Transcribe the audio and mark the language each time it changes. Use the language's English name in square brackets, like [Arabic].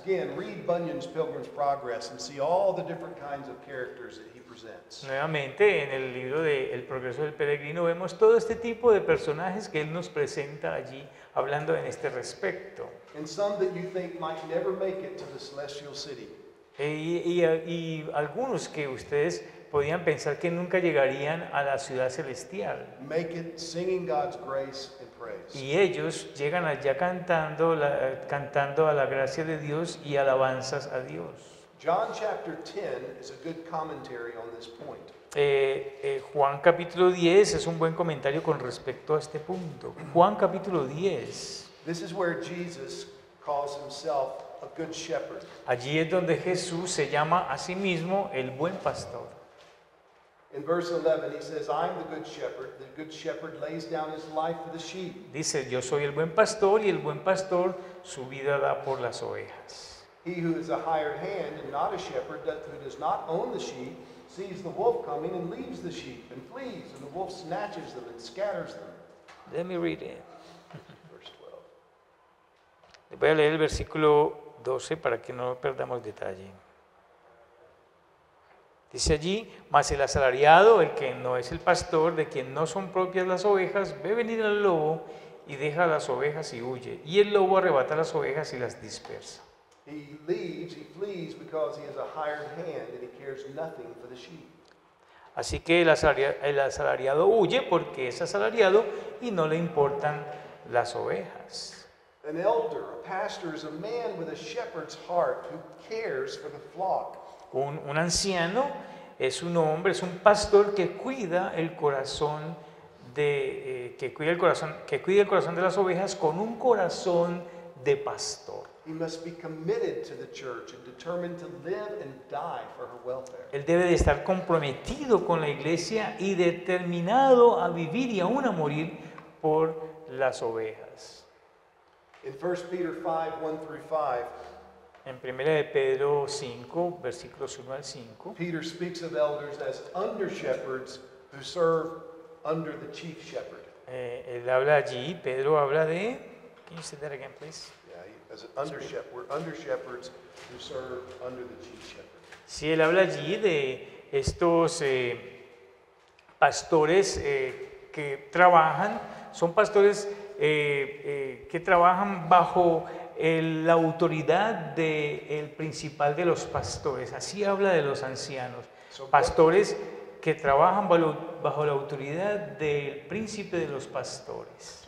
[English] Again, read Bunyan's Pilgrim's Progress and see all the different kinds of characters that he presents. [Spanish] Nuevamente, en el libro de El Progreso del Peregrino vemos todo este tipo de personajes que él nos presenta allí hablando en este respecto. [English] And some that you think might never make it to the celestial city. [Spanish] Y algunos que ustedes podían pensar que nunca llegarían a la ciudad celestial. [English] Make it singing God's grace and praise. [Spanish] Y ellos llegan allá cantando, cantando a la gracia de Dios y alabanzas a Dios. [English] John chapter 10 is a good commentary on this point. [Spanish] Juan capítulo 10 es un buen comentario con respecto a este punto. Juan capítulo 10. [English] This is where Jesus calls himself a good shepherd. [Spanish] Allí es donde Jesús se llama a sí mismo el buen pastor. [English] In verse 11 he says, I am the good shepherd. The good shepherd lays down his life for the sheep. [Spanish] Dice, yo soy el buen pastor y el buen pastor su vida da por las ovejas. [English] He who is a hired hand and not a shepherd, that who does not own the sheep, sees the wolf coming and leaves the sheep and flees, and the wolf snatches them and scatters them. Let me read it. Verse [Spanish] 12. Voy a leer el versículo 12 para que no perdamos detalle. Dice allí, mas el asalariado, el que no es el pastor, de quien no son propias las ovejas, ve venir al lobo y deja las ovejas y huye. Y el lobo arrebata las ovejas y las dispersa. [English] He leaves, he flees because he is a hired hand and he cares nothing for the sheep. [Spanish] Así que el asalariado huye porque es asalariado y no le importan las ovejas. [English] An elder, a pastor, is a man with a shepherd's heart who cares for the flock. [Spanish] Un anciano es un hombre, es un pastor que cuida el corazón de las ovejas con un corazón de pastor. [English] He must be committed to the church and determined to live and die for her welfare. [Spanish] Él debe de estar comprometido con la iglesia y determinado a vivir y aún a morir por las ovejas. [English] In 1 Peter 5, 1 through 5, [Spanish] en 1 de Pedro 5, versículos 1 al 5, [English] Peter speaks of elders as under shepherds who serve under the chief shepherd. [Spanish] Él habla allí, Pedro habla de, [English] can you say that again, please? As under shepherds, we're under shepherds who serve under the chief shepherd. [Spanish] Sí, él habla allí de estos pastores que trabajan, son pastores que trabajan bajo la autoridad del principal de los pastores. Así habla de los ancianos, pastores que trabajan bajo la autoridad del príncipe de los pastores.